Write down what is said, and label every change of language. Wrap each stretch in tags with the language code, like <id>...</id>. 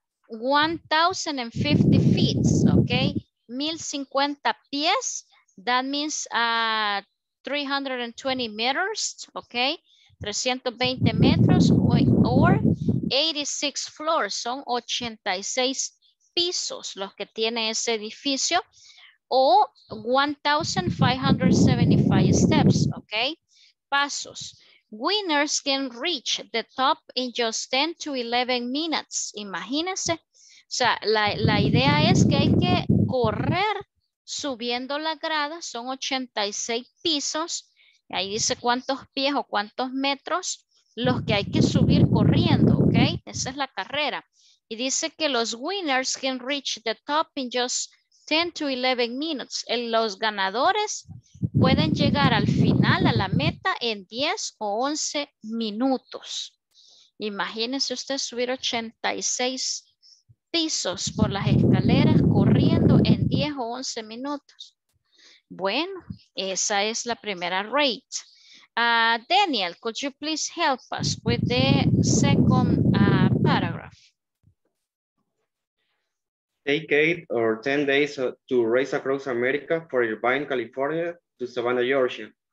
<es>1,050 feet, ok, 1,050 pies,</es> <en>that means 320 meters,</en> <es>ok, 320 metros</es> <en>or 86 floors,</en> <es>son 86 pisos los que tiene ese edificio, o</es> <en>1,575 steps,</en> <es>ok, pasos.</es> <en>Winners can reach the top in just 10 to 11 minutes, imagínense.</en> <es>O sea, la idea es que hay que correr subiendo la grada, son 86 pisos, y ahí dice cuántos pies o cuántos metros los que hay que subir corriendo, ¿ok? Esa es la carrera. Y dice que los</es> <en>winners can reach the top in just 10 to 11 minutes.</en> <es>Los ganadores pueden llegar al final, a la meta, en 10 o 11 minutos. Imagínense usted subir 86 pisos por las escaleras corriendo en 10 o 11 minutos. Bueno, esa es la primera rate.</es> <en>Daniel, could you please help us with the second paragraph? Take 8 or 10 days to race across America for Irvine, California to Savannah, Georgia.</en>